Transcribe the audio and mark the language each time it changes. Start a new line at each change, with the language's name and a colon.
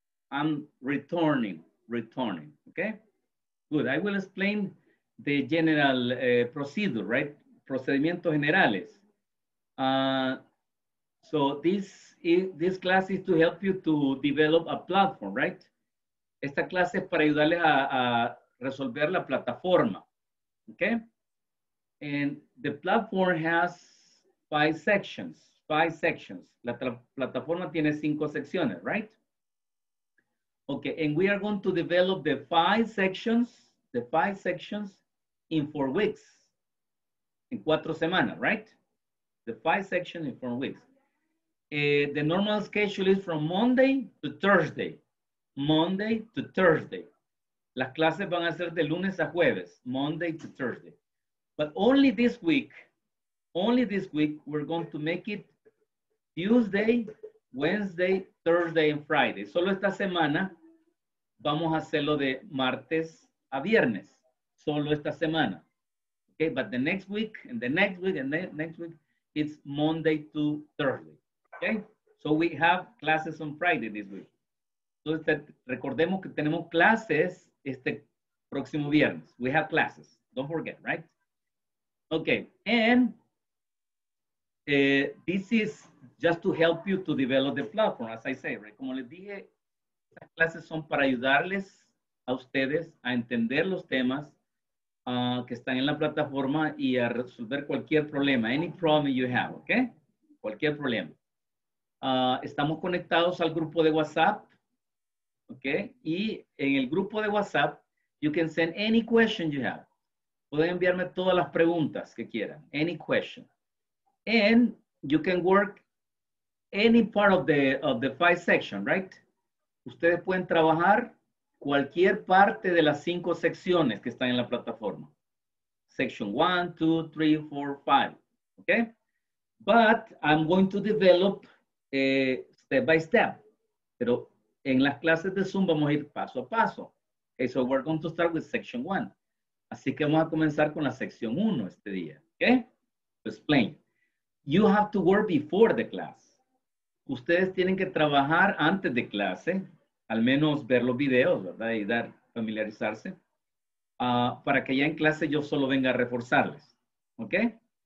English: I'm returning, okay? Good, I will explain the general procedure, right?
Spanish: Procedimientos generales.
English: So this class is to help you to develop a platform, right?
Spanish: Esta clase es para ayudarles a resolver la plataforma, okay?
English: And the platform has 5 sections.
Spanish: La plataforma tiene 5 secciones, right?
English: Okay, and we are going to develop the five sections in 4 weeks, in
Spanish: 4 semanas,
English: right? The 5 sections in 4 weeks. The normal schedule is from Monday to Thursday.
Spanish: Las clases van a ser de lunes a jueves,
English: Monday to Thursday. But only this week, we're going to make it Tuesday, Wednesday, Thursday, and Friday.
Spanish: Solo esta semana vamos a hacerlo de martes a viernes. Solo esta semana.
English: Okay, but the next week, and the next week, and the next week, it's Monday to Thursday. Okay, so we have classes on Friday this week.
Spanish: Entonces, recordemos que tenemos clases este próximo viernes.
English: We have classes. Don't forget, right? Okay, and this is just to help you to develop the platform, as I say, right?
Spanish: Como les dije, estas clases son para ayudarles a ustedes a entender los temas que están en la plataforma y a resolver cualquier problema,
English: any problem you have,
Spanish: okay? Cualquier problema. Estamos conectados al grupo de WhatsApp, okay? Y en el grupo de WhatsApp,
English: you can send any question you have.
Spanish: Pueden enviarme todas las preguntas que quieran.
English: Any question. And you can work any part of the 5 sections, right?
Spanish: Ustedes pueden trabajar cualquier parte de las 5 secciones que están en la plataforma.
English: Section 1, 2, 3, 4, 5. Okay? But I'm going to develop step by step.
Spanish: Pero en las clases de Zoom vamos a ir paso a paso.
English: Okay, so we're going to start with section 1.
Spanish: Así que vamos a comenzar con la sección 1 este día, ¿okay?
English: To explain. You have to work before the class.
Spanish: Ustedes tienen que trabajar antes de clase, al menos ver los videos, ¿verdad? Y dar, familiarizarse, para que ya en clase yo solo venga a reforzarles, ¿okay?